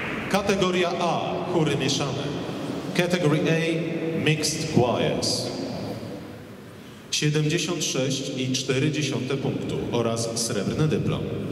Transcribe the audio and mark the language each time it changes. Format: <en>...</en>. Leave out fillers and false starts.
<pl>Kategoria A, chóry mieszane.</pl> <en>Category A, mixed choirs.</en> <pl>76,4 punktu oraz srebrny dyplom.</pl>